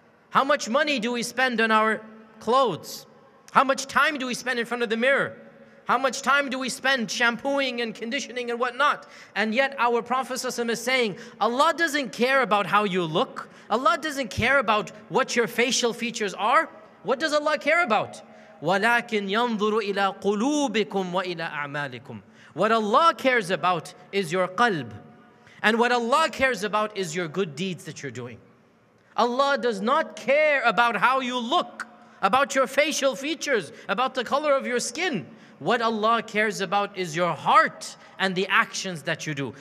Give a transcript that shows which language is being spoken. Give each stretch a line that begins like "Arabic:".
English: How much money do we spend on our clothes? How much time do we spend in front of the mirror? How much time do we spend shampooing and conditioning and whatnot? And yet our Prophet is saying, Allah doesn't care about how you look. Allah doesn't care about what your facial features are. What does Allah care about?
Arabic: وَلَكِنْ يَنْظُرُ إِلَىٰ قُلُوبِكُمْ وَإِلَىٰ أَعْمَالِكُمْ.
English: What Allah cares about is your qalb. And what Allah cares about is your good deeds that you're doing. Allah does not care about how you look, about your facial features, about the color of your skin. What Allah cares about is your heart and the actions that you do.